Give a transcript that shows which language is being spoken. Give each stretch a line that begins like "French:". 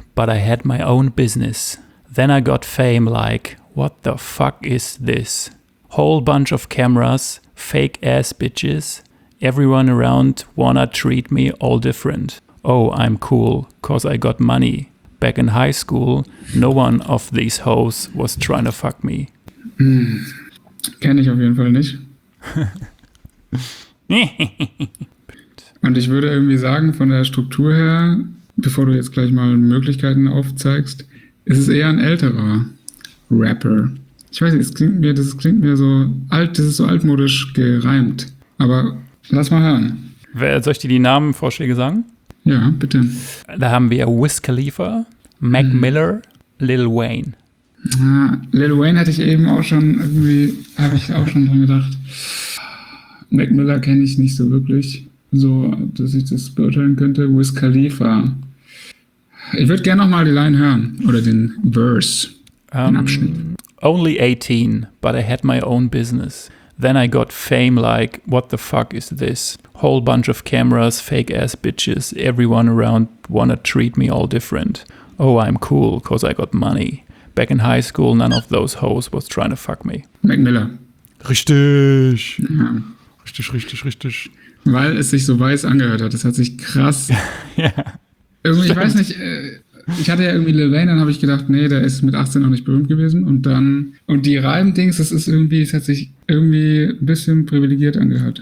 English: But I had my own business. Then I got fame like, what the fuck is this? Whole bunch of cameras, fake ass bitches. Everyone around wanna treat me all different. Oh, I'm cool, cause I got money. Back in high school, no one of these hoes was trying to fuck me.
German: Kenn ich auf jeden Fall nicht. Und ich würde irgendwie sagen, von der Struktur her, bevor du jetzt gleich mal Möglichkeiten aufzeigst, ist es eher ein älterer Rapper. Ich weiß nicht, das klingt mir so alt, das ist so altmodisch gereimt. Aber lass mal hören. Soll ich dir die Namenvorschläge sagen? Ja, bitte. Da haben wir Wiz Khalifa, Mac Miller, Lil Wayne. Ah, Lil Wayne hatte ich eben auch schon irgendwie, habe ich auch schon dran gedacht. Mac Miller kenne ich nicht so wirklich. So, dass ich das beurteilen könnte. Wiz Khalifa. Ich würde gerne nochmal die Line hören. Oder den Verse. Den Abschnitt.
English: Only 18, but I had my own business. Then I got fame like, what the fuck is this? Whole bunch of cameras, fake ass bitches. Everyone around wanna treat me all different. Oh, I'm cool, cause I got money. Back in high school, none of those hoes was trying to fuck me.
German: Mac Miller. Richtig. Ja. Richtig, richtig, richtig. Weil es sich so weiß angehört hat. Das hat sich krass. Ja, irgendwie, ich weiß nicht, ich hatte ja irgendwie Lil Wayne, dann habe ich gedacht, nee, der ist mit 18 noch nicht berühmt gewesen. Und dann, und die Reim-Dings, das ist irgendwie, es hat sich irgendwie ein bisschen privilegiert angehört.